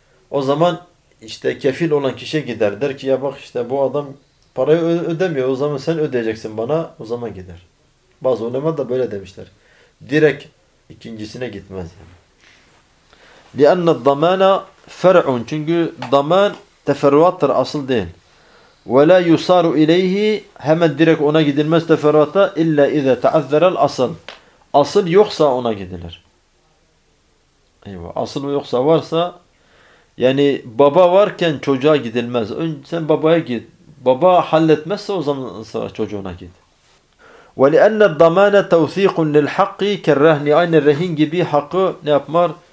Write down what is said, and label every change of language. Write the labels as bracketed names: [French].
[Turkish] O zaman işte kefil olan kişiye gider. Der ki ya bak işte bu adam parayı ödemiyor. O zaman sen ödeyeceksin bana. O zaman gider. Bazı ulema da böyle demişler. Direkt ikincisine gitmez yani. [Arabic] لأن الضمان فرع [Turkish] çünkü ضمان teferruattır, asıl değil. [Arabic] ولا يصار إليه [Turkish] hemen direkt ona gidilmez teferruata [Arabic] إلا إذا تعذر الأصل. [Turkish] Asıl yoksa ona gidilir. Eyvah, asıl yoksa varsa yani baba varken çocuğa gidilmez. Önce sen babaya git. Baba halletmezse o zaman sonra çocuğuna git. [Arabic] ولأن الضمان توثيق للحق كالرهن [Turkish] aynı rehin gibi hakkı ne yapmar?